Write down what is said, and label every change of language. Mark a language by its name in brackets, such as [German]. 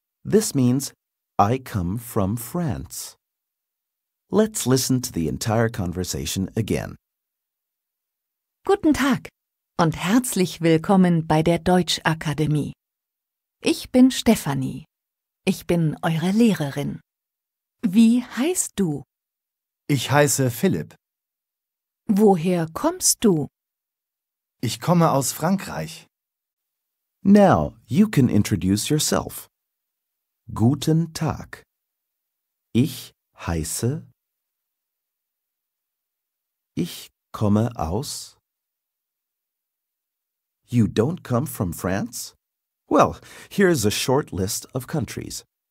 [English] This means, I come from France. Let's listen to the entire conversation again. [German] Guten Tag und herzlich willkommen bei der Deutschakademie. Ich bin Stefanie. Ich bin eure Lehrerin. Wie heißt du? Ich heiße Philipp. Woher kommst du? Ich komme aus Frankreich. [English] Now you can introduce yourself. [German] Guten Tag. Ich heiße. Ich komme aus. [English] You don't come from France? Well, here's a short list of countries.